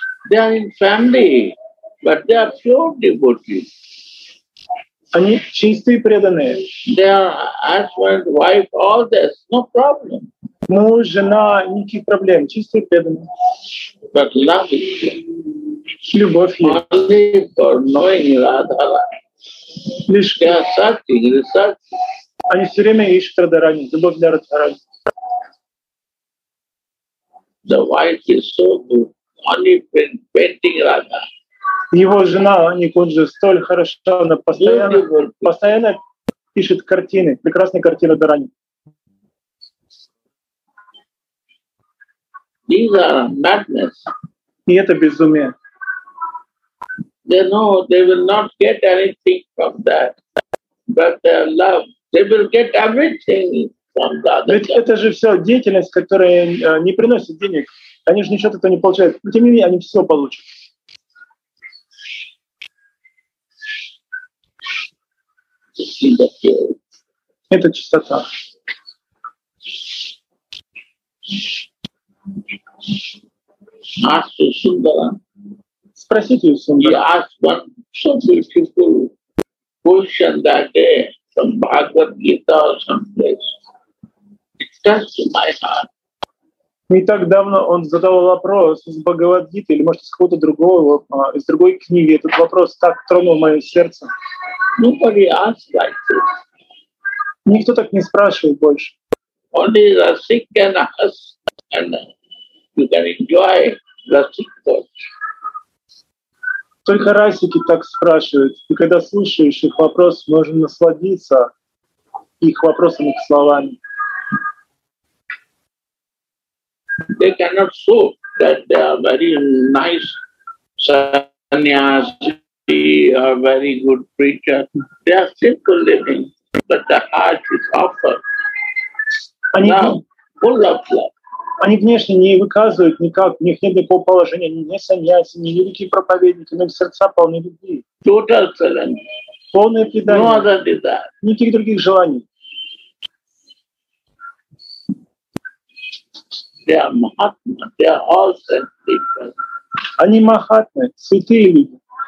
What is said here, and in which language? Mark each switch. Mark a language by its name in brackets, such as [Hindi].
[English] They are in family, but they are pure devotees. [Russian] Они чистые преданные. [English] They are husband, wife, all this, no problem. [Russian] Муж, жена, никаких проблем, чистые преданные. [English] But love is here. [Russian] Любовь есть. [English] Only for knowing Radhara. [Russian] Лишь я сакти, не сакти. Они все время ищут Радхарани, любовь для Радхарани. [English] The wife is so good, only painting Radha. [Russian] Его жена, Никунджи, столь хорошо, она постоянно пишет картины, прекрасные картины Радхарани. [English] These are madness. [Russian] И это безумие. [English] They know they will not get anything from that, but their love, they will get everything from that. [Russian] Ведь это же все деятельность, которая не приносит денег. Они же ничего этого не получают. Но тем не менее, они все получат. Это чистота. [English] Ask Sundara. [Russian] Спросите у Сундара. [English] He asked one so beautiful question that day from Bhagavad Gita or someplace. It touched my heart. [Russian] Не так давно он задавал вопрос из Бхагавад-гиты или, может, из какого-то другого, из другой книги. Этот вопрос так тронул мое сердце. [English] Nobody asked like this. [Russian] Никто так не спрашивает больше. [English] Only Rasik can ask and you can enjoy Rasik thoughts. [Russian] Только Расики так спрашивают. И когда слушаешь их вопрос, можно насладиться их вопросами, их словами. [English] They cannot show that they are very nice sannyasi, are very good preacher. They are simple living, but the heart is offered. [Russian] Они [English] now, full of love. [Russian] Они внешне не выказывают никак, у них нет никакого положения, они не сонясы, не великие проповедники, но их сердца полны любви. [English] Total surrender. [Russian] Полное предание. [English] No other than that. [Russian] Никаких других желаний. [English] They are Mahatma, they are all saintly people. [Russian] Они Махатмы, святые люди.